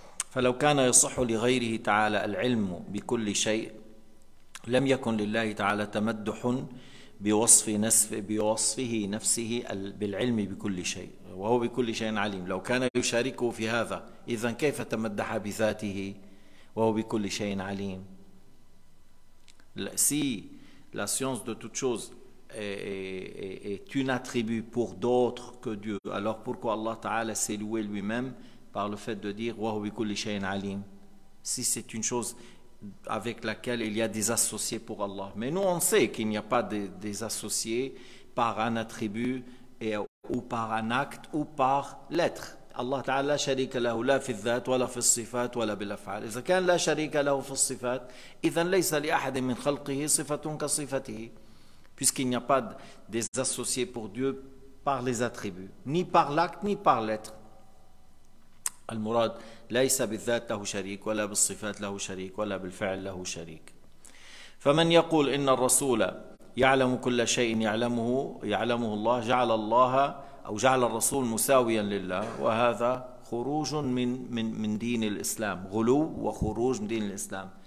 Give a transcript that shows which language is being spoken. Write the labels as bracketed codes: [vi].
[ar] فلو كان يصح لغيره تعالى العلم بكل شيء لم يكن لله تعالى تمدح بوصفه نفسه بالعلم بكل شيء وهو بكل شيء عليم. لو كان يشاركه في هذا إذن كيف تمدح بذاته وهو بكل شيء عليم؟ [fr] Si la science de toute chose est une attribut pour d'autres que Dieu, alors pourquoi Allah Ta'ala s'est loué lui-même par le fait de dire [ar] وهو بكل شيء عليم؟ [fr] Si c'est une chose avec laquelle il y a des associés pour Allah. Mais nous, on sait qu'il n'y a pas des associés par un attribut et, ou par un acte ou par l'être. [ar] Allah Ta'ala شريك له لا في الذات ولا في الصفات ولا بالأفعال. إذا كان لا شريك له في الصفات إذا ليس لأحد من خلقه صفة كصفته. [fr] Puisqu'il n'y a pas des associés pour Dieu par les attributs, ni par l'acte ni par l'être. [ar] المراد ليس بالذات له شريك ولا بالصفات له شريك ولا بالفعل له شريك. فمن يقول إن الرسول يعلم كل شيء يعلمه الله جعل الله أو جعل الرسول مساويا لله، وهذا خروج من من من دين الإسلام، غلو وخروج من دين الإسلام.